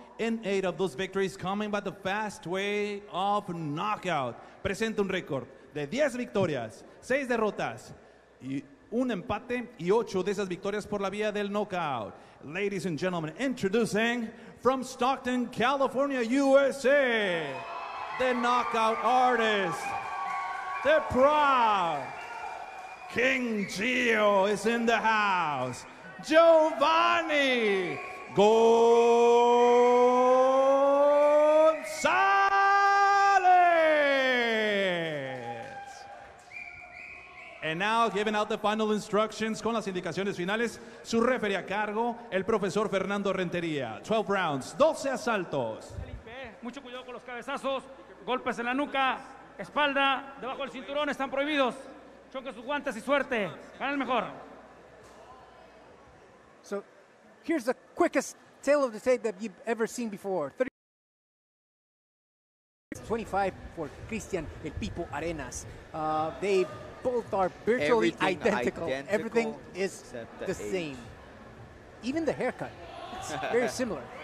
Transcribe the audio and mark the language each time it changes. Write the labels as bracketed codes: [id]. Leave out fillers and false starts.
[en] in 8 of those victories coming by the fast way of knockout. [es] Presenta un récord de 10 victorias, 6 derrotas, y un empate y 8 de esas victorias por la vía del knockout. [en] Ladies and gentlemen, introducing from Stockton, California, USA, the knockout artist, the proud King Gio is in the house. Giovannie Gonzalez. And now giving out the final instructions [es] con las indicaciones finales, su referee a cargo, el profesor Fernando Rentería. [en] 12 rounds, 12 assaults. [es] Mucho cuidado con los cabezazos, golpes en la nuca, espalda, debajo del cinturón, están prohibidos. Choque sus guantes y suerte. Gana el mejor. [en] So, here's the quickest tail of the tape that you've ever seen before. 25 for Christain "El Pipo" Arenas. They both are virtually identical. Everything is the same. Even the haircut. It's very similar.